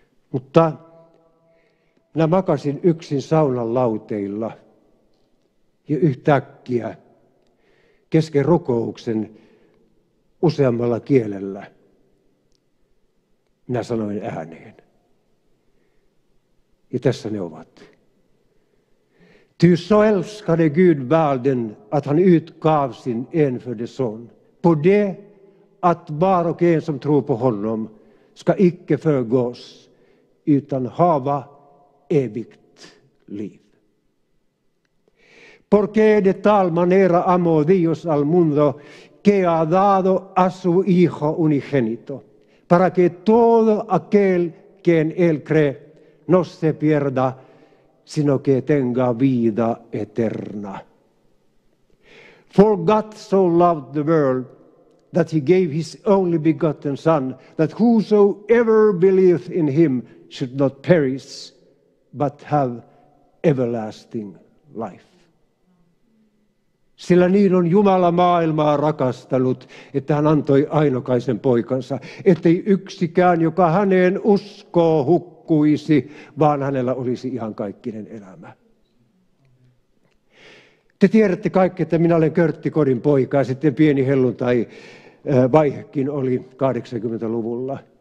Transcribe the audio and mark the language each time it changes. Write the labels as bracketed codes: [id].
[fi] Mutta minä makasin yksin saunan lauteilla ja yhtäkkiä kesken rukouksen useammalla kielellä minä sanoin ääneen. Ja tässä ne ovat. [sv] Ty så älskade Gud världen att han utgav sin enfödde son på det att var och en som tror på honom ska icke förgås utan hava evigt liv. [es] Porque de tal manera amó Dios al mundo que ha dado a su Hijo unigénito, para que todo aquel que en él cree no se pierda, sino que tenga vida eterna. [en] For God so loved the world that he gave his only begotten Son, that whosoever believeth in him should not perish, but have everlasting life. [fi] Sillä niin on Jumala maailmaa rakastanut, että hän antoi ainokaisen poikansa, ettei yksikään, joka häneen uskoo, hukkuisi, vaan hänellä olisi ihan kaikkinen elämä. Te tiedätte kaikki, että minä olen Körtti Kodin poika, ja sitten pieni helluntai vaihekin oli 80-luvulla.